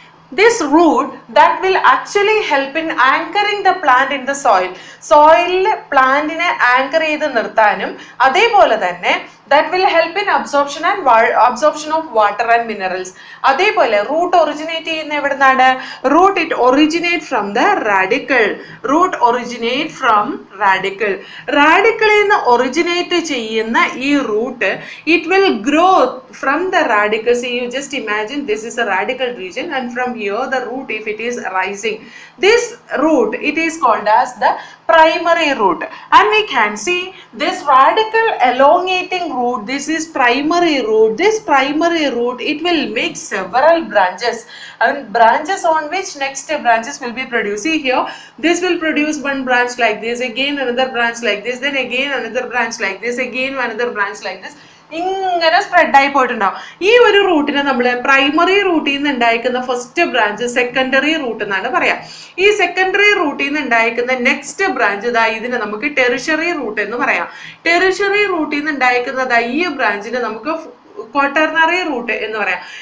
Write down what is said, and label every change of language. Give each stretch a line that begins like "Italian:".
English: This root that will actually help in anchoring the plant in the soil. Soil plant in a anchor
Malayalam: ചെയ്ത് നിർത്താനും അതേപോലെ തന്നെ
English: that will help in absorption and absorption of water and minerals.
Malayalam: അതേപോലെ
English: root originate
Malayalam: ചെയ്യുന്ന എവിടുന്നാണ്?
English: Root it originate from the radical. Root originate from radical. Radical
Malayalam: എന്ന്
English: originate
Malayalam: ചെയ്യുന്ന ഈ
English: root, it will grow from the radicals. See, you just imagine this is a radical region and from here the root, if it is rising, this root, it is called as the primary root. And we can see this radical elongating root, this is primary root. This primary root, it will make several branches, and branches on which next branches will be produced. See here, this will produce one branch like this, again another branch like this, then again another branch like this, again another branch like this.
Malayalam: ഇങ്ങനെ സ്പ്രെഡായി പോയിട്ടുണ്ടാവും. ഈ ഒരു റൂട്ടിനെ നമ്മൾ primary റൂട്ടിൽ നിന്ന് ഉണ്ടായിരിക്കുന്ന first branch secondary root എന്നാണ് പറയാം. ഈ സെക്കൻഡറി റൂട്ടിൽ നിന്ന് ഉണ്ടായിരിക്കുന്ന നെക്സ്റ്റ് ബ്രാഞ്ച് ഇതാ, ഇതിനെ നമുക്ക് ടെറിഷറി റൂട്ട് എന്ന് പറയാം. ടെറിഷറി റൂട്ടിൽ നിന്ന് ഉണ്ടായിരിക്കുന്നതാ ഈ ബ്രാഞ്ചിനെ നമുക്ക് ക്വാട്ടർണറി റൂട്ട് എന്ന് പറയാം.